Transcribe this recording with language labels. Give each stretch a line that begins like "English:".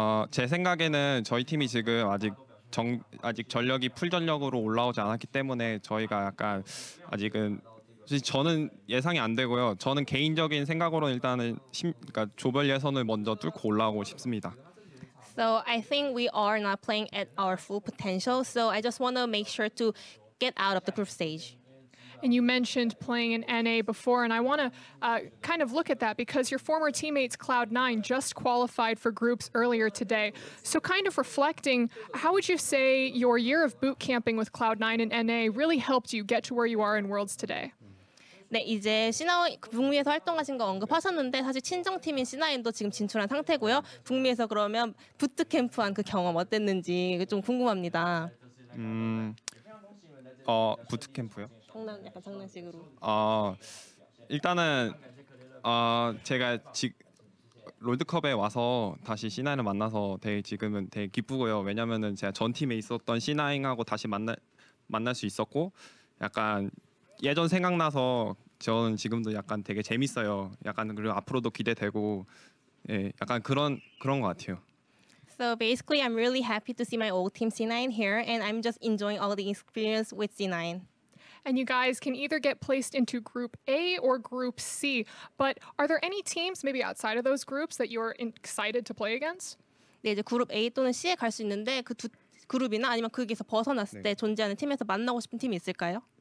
Korean: 제 생각에는 저희 팀이 지금 아직 전력이 풀 전력으로 올라오지 않았기 때문에 저희가 약간 아직은 저는 예상이 안 되고요. 저는 개인적인 생각으로 일단은 그러니까 조별 예선을 먼저 뚫고 올라오고 싶습니다.
English: So I think we are not playing at our full potential. So I just want to make sure to get out of the group stage. And you mentioned playing in NA before, and I want to kind of look at that because your former teammates Cloud9 just qualified for groups earlier today. So kind of reflecting, how would you say your year of boot camping with Cloud9 and NA really helped you get to where you are in Worlds today?
Korean: 네, 이제 C9 북미에서 활동하신 거 언급하셨는데 사실 친정 팀인 C9도 지금 진출한 상태고요. 북미에서 그러면 부트 캠프한 그 경험 어땠는지 좀 궁금합니다. 부트 캠프요? 약간 장난식으로. 일단은 제가 지금 롤드컵에 와서 다시 C9을 만나서 되게 지금은 되게 기쁘고요. 왜냐면은 제가 전 팀에 있었던 C9하고 다시 만날 수 있었고 약간 예전 생각나서 저는 지금도 약간 되게 재밌어요. 약간 그리고 앞으로도 기대되고 예, 약간 그런 것 같아요.
English: So basically I'm really happy to see my old team C9 here and I'm just enjoying all the experience with C9. And you guys can either get placed into group A or group C, but are there any teams maybe outside of those groups that you're excited to play against?
Korean: 네, 이제 그룹 A 또는 C에 갈 수 있는데 그 두 그룹이나 아니면 거기에서 벗어났을 때 존재하는 팀에서 만나고 싶은 팀이 있을까요?